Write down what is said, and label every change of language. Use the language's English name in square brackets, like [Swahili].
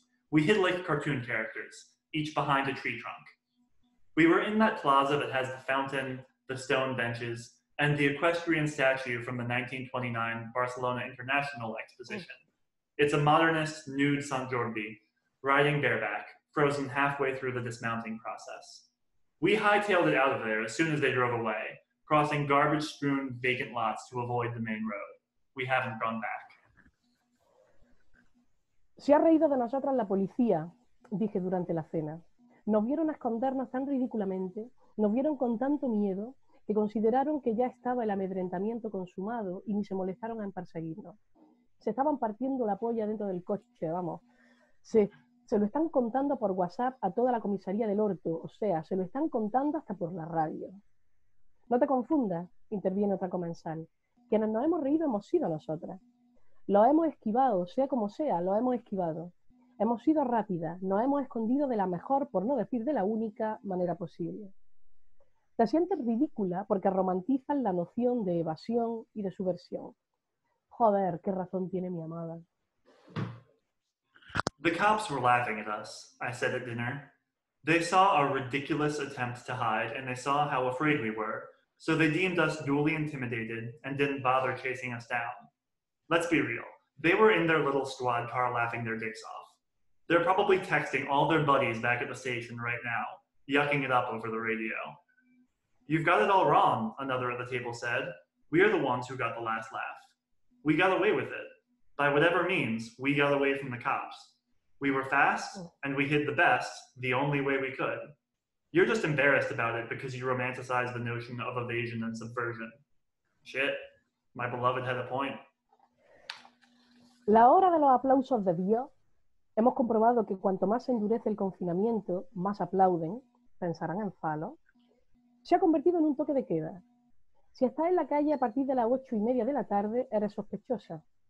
[English] We hid like cartoon characters, each behind a tree trunk. We were in that plaza that has the fountain, the stone benches, and the equestrian statue from the 1929 Barcelona International Exposition. It's a modernist nude Sant Jordi, riding bareback, frozen halfway through the dismounting process. We hightailed it out of there as soon as they drove away, crossing garbage-strewn vacant lots to avoid the main road. We haven't gone back. [Spanish] Se ha reído de nosotras la policía, dije durante la cena. Nos vieron escondernos tan ridículamente, nos vieron con tanto miedo, que consideraron que ya estaba el amedrentamiento consumado y ni se molestaron en perseguirnos. Se estaban partiendo la polla dentro del coche, vamos. Se lo están contando por WhatsApp a toda la comisaría del Orto, o sea, se lo están contando hasta por la radio. No te confundas, interviene otra comensal. Quienes nos hemos reído hemos sido nosotras. Lo hemos esquivado, sea como sea, lo hemos esquivado. Hemos sido rápidas, nos hemos escondido de la mejor, por no decir de la única, manera posible. Te sientes ridícula porque romantizas la noción de evasión y de subversión. Joder, qué razón tiene mi amada. [English] The cops were laughing at us, I said at dinner. They saw our ridiculous attempt to hide and they saw how afraid we were, so they deemed us duly intimidated and didn't bother chasing us down. Let's be real, they were in their little squad car laughing their dicks off. They're probably texting all their buddies back at the station right now, yucking it up over the radio. You've got it all wrong, another at the table said. We are the ones who got the last laugh. We got away with it. By whatever means, we got away from the cops. We were fast, and we hid the best, the only way we could. You're just embarrassed about it because you romanticize the notion of evasion and subversion. Shit, my beloved had a point. [Spanish] La hora de los aplausos de Dios. Hemos comprobado que cuanto más se endurece el confinamiento, más aplauden, pensarán en falo. Se ha convertido en un toque de queda. Si estás en la calle a partir de las 8:30 de la tarde, eres sospechosa.